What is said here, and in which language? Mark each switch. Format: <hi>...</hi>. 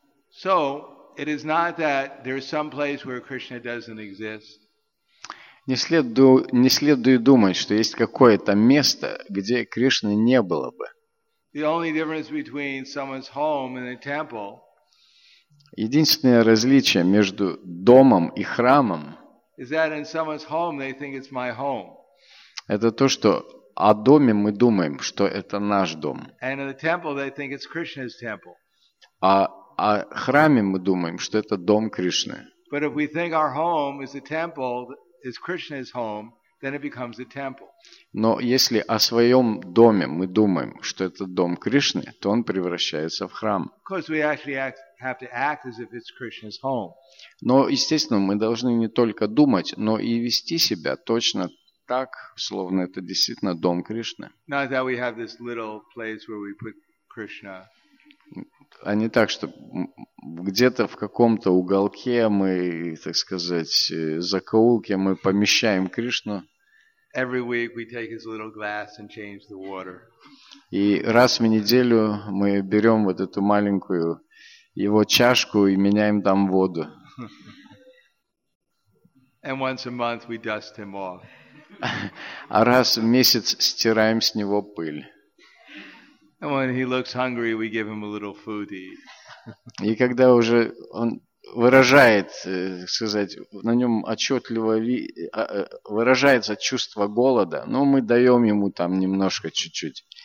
<en>So, it is not that there is some place where Krishna doesn't exist.</en> <ru>Не следует думать, что есть какое-то место, где Кришны не было бы.</ru> <en>The only difference between someone's home and a temple,</en> <ru>Единственное различие между домом и храмом</ru> <en>is that in someone's home, they think it's my home.</en> <ru>Это то, что о доме мы думаем, что это наш дом.</ru> <en>And in the temple, they think it's Krishna's temple.</en> <ru>А о храме мы думаем, что это дом Кришны.</ru> <en>But if we think our home is a temple, is Krishna's home, then it becomes a temple.</en> <ru>Но если о своем доме мы думаем, что это дом Кришны, то он превращается в храм.</ru> <en>Because we actually have to act as if it's Krishna's home.</en> <ru>Но, естественно, мы должны не только думать, но и вести себя точно так, словно это действительно дом Кришны.</ru> <en>Not that we have this little place where we put Krishna.</en> <ru>А не так, что где-то в каком-то уголке мы, так сказать, закоулке мы помещаем Кришну.</ru> <en>Every week we take his little glass and change the water.</en> <ru>И раз в неделю мы берем вот эту маленькую его чашку и меняем там воду.</ru> <en>And once a month we dust him off.</en> <ru>А раз в месяц стираем с него пыль.</ru> <en>And when he looks hungry, we give him a little food to eat.</en> <ru>И когда уже он выражает, сказать, на нем отчетливо выражается чувство голода, но мы даем ему там немножко, чуть-чуть,</ru>